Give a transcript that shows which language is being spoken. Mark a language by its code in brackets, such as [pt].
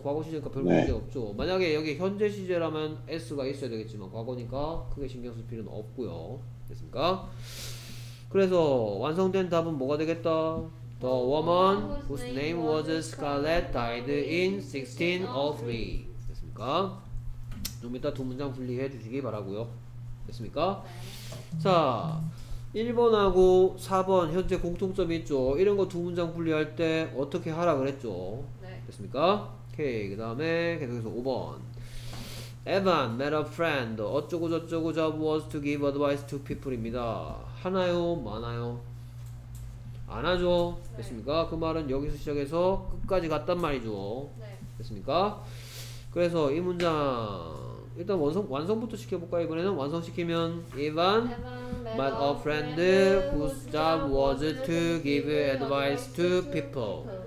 [ko] 과거 시제니까 별 문제 없죠. 만약에 여기 현재 시제라면 S가 있어야 되겠지만 과거니까 크게 신경 쓸 필요는 없고요. 됐습니까? 그래서 완성된 답은 뭐가 되겠다? [en] The woman whose name was Scarlett died in 1603. [ko] 됐습니까? 좀 이따 두 문장 분리해 주시기 바라고요. 됐습니까? 자, 1번하고 4번 현재 공통점이 있죠. 이런 거 두 문장 분리할 때 어떻게 하라 그랬죠? 됐습니까? 오케이. 그 다음에 계속해서 5번. [en] Evan met a friend. [ko] 어쩌고 저쩌고 [en] job was to give advice to people [ko] 입니다. 하나요? 많아요? 안 하죠? 네. 됐습니까? 그 말은 여기서 시작해서 끝까지 갔단 말이죠. 네. 됐습니까? 그래서 이 문장 일단 완성부터 시켜볼까요? 이번에는 완성시키면 Evan [en] met a friend whose job was to give advice to people.